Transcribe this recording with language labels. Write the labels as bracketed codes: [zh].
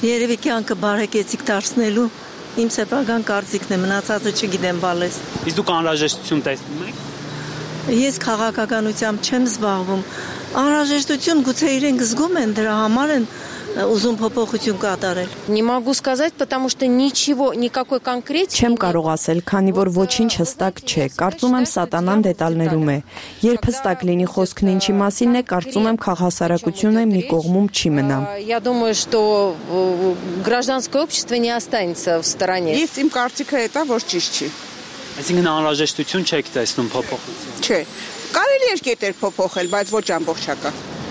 [hy] Երևի կյանքը բարեկեցիկ դարձնելու իմ սեփական կարծիքն է, մնացածը չգիտեմ բալես։ Իսկ դուք անհրաժեշտություն տեսնում եք։ Ես քաղաքականությամբ չեմ զբաղվում։ Անհրաժեշտություն գուցե իրենք զգում են, դրա համար են ուզում փոփոխություն կատարել։ [ru] Не могу сказать, потому что ничего, никакой конкретики [hy] չեմ կարող ասել, քանի որ ոչինչ հստակ չէ։ Կարծում եմ սատանան դետալներում է։ Երբ հստակ լինի խոսքն ինչի մասին է, կարծում եմ քաղհասարակությունը մի կողմում չի մնա։ [ru] Я думаю, что гражданское общество не останется в стороне։ [hy] Ես իմ կարծիքը հետ է, որ ճիշտ չի։ Այսինքն անհրաժեշտություն չեք տեսնում փոփոխություն։ Չէ։ Կարելի է կետեր փոփոխել, բայց ոչ ամբողջական։